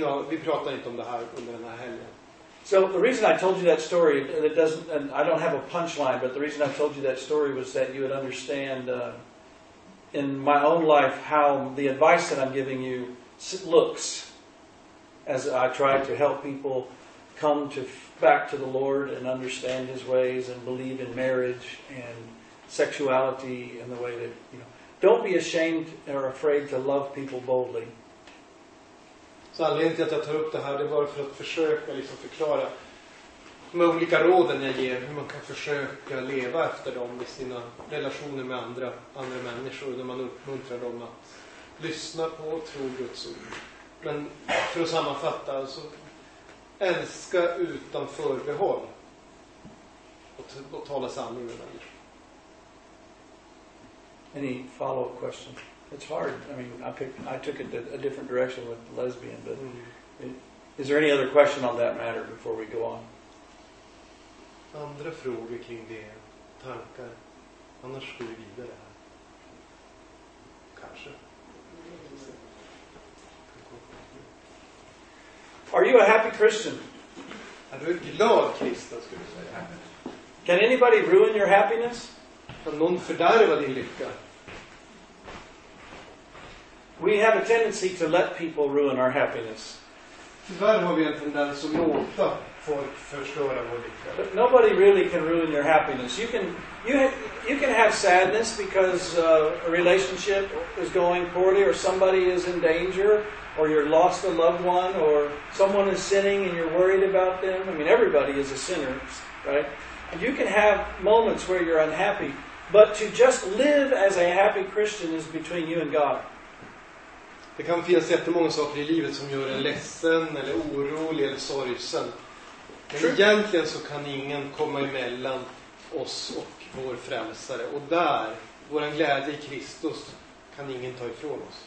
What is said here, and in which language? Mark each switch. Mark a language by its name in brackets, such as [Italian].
[Swedish] Vi pratar inte om det här under den här helgen. [English] So the reason I told you that story, and I don't have a punchline, but the reason I told you that story was that you would understand in my own life how the advice that I'm giving you looks as I try to help people come back to the Lord and understand His ways and believe in marriage and sexuality and the way that, you know, don't be ashamed or afraid to love people boldly. [Swedish] Så anledningen till att jag tar upp det här, det var för att försöka liksom förklara de olika råden jag ger, hur man kan försöka leva efter dem i sina relationer med andra människor, när man uppmuntrar dem att lyssna på och tro Guds ord. Men för att sammanfatta, alltså, älska utan förbehåll och tala sanning med människor. [English] Any follow-up question? It's hard. I mean, I took it a different direction with lesbian, but is there any other question on that matter before we go on? [Swedish] Andra frågor kring det, tankar. Annars går vi vidare här. Kanske. [English] Are you a happy Christian? [Swedish] Är du en glad kristen, skulle jag säga. [English] Can anybody ruin your happiness? [Swedish] Kan någon fördärva din lycka? [English] We have a tendency to let people ruin our happiness. [Swedish] Tyvärr har vi en tendens att låta folk förstöra vår lycka. [English] But nobody really can ruin your happiness. You can have sadness because a relationship is going poorly, or somebody is in danger, or you're lost a loved one, or someone is sinning and you're worried about them. I mean, everybody is a sinner, right? And you can have moments where you're unhappy, but to just live as a happy Christian is between you and God. [Swedish] Det kan finnas jättemånga saker i livet som gör en ledsen eller orolig eller sorgsen. Men egentligen så kan ingen komma emellan oss och vår frälsare. Och där, vår glädje i Kristus, kan ingen ta ifrån oss.